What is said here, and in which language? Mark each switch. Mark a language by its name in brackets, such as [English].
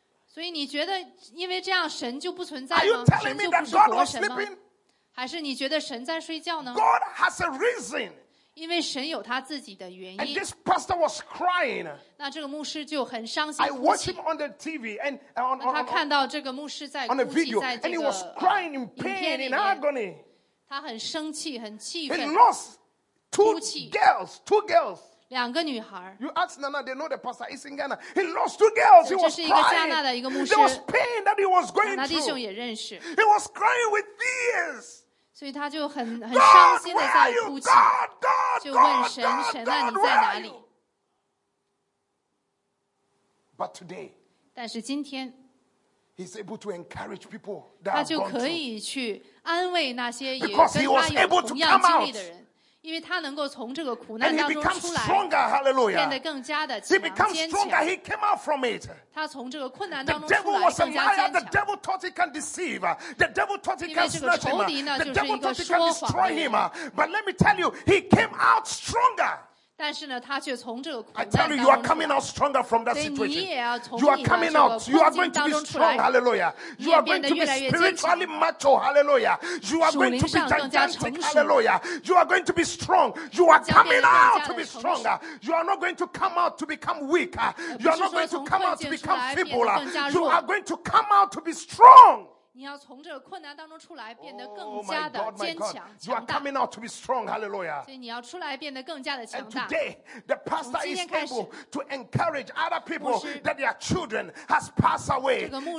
[Chinese] 所以你觉得因为这样神就不存在吗？ [English] Are you telling me that God was sleeping? [Chinese] 还是你觉得神在睡觉呢？ [English] God has a reason. [Chinese] 因为神有他自己的原因。 [English] And this pastor was crying. [Chinese] 那这个牧师就很伤心。 [English] I watched him on the TV and on [Chinese] 他看到这个牧师在哭泣， [English] on the video, and he was crying in pain, in agony. [Chinese] 他很生气，很气愤。 [English] He lost two girls. [Chinese] 两个女孩。 [English] You ask Nana, they know the pastor is in Ghana. He lost two girls. He was crying. There was pain that he was going through. [Chinese] 他弟兄也认识。 [English] He was crying with tears. [Chinese] 所以他就很伤心的在哭泣。就问神，神啊，你在哪里？ [English] But today, [Chinese] 但是今天， [English] he's able to encourage people that are gone through. Because he was able to come out. [Chinese] 因为他能够从这个苦难当中出来，变得更加的强，坚强。 [English] He came out from it. [Chinese] 他从这个困难当中出来，更加强。 [English] The devil was a liar. The devil thought he can deceive. The devil thought he can snatch him. The devil thought he can destroy him. But let me tell you, he came out stronger. [Chinese] 但是呢，他却从这个苦难当中出来。 [English] I tell you, you are coming out stronger from that situation. [Chinese] 所以你也要从你的这个困境当中出来。 [English] You are coming out. You are going to be strong. Hallelujah. You are going to be spiritually macho. Hallelujah. You are going to be gigantic. Hallelujah. You are going to be strong. You are coming out to be stronger. You are not going to come out to become weaker. You are not going to come out to become feebler. You are going to come out to be strong. [Chinese] 你要从这个困难当中出来，变得更加的坚强、强大。 [English] You are coming out to be strong, Hallelujah. [Chinese] 所以你要出来变得更加的强大。 [English] And today, the pastor is able to encourage other people that their children has passed away.